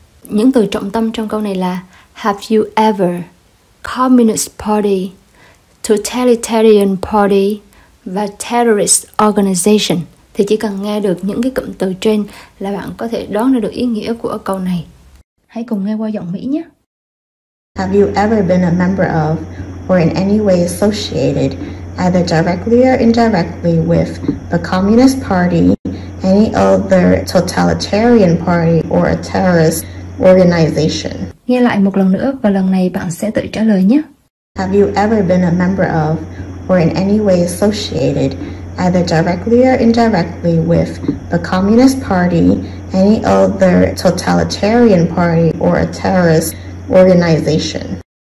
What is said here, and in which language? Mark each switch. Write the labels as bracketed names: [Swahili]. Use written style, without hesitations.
[Vietnamese] Những từ trọng tâm trong câu này là [English] have you ever, [Vietnamese] Communist Party, Totalitarian Party và Terrorist Organization. Thì chỉ cần nghe được những cái cụm từ trên là bạn có thể đoán ra được ý nghĩa của câu này. Hãy cùng nghe qua giọng Mỹ nhé. [English] Have you ever been a member of or in any way associated either directly or indirectly with the Communist Party, any other totalitarian party or a terrorist organization? [Vietnamese] Nghe lại một lần nữa và lần này bạn sẽ tự trả lời nhé. [English] Have you ever been a member of or in any way associated either directly or indirectly with the Communist Party, any other totalitarian party or a terrorist organization?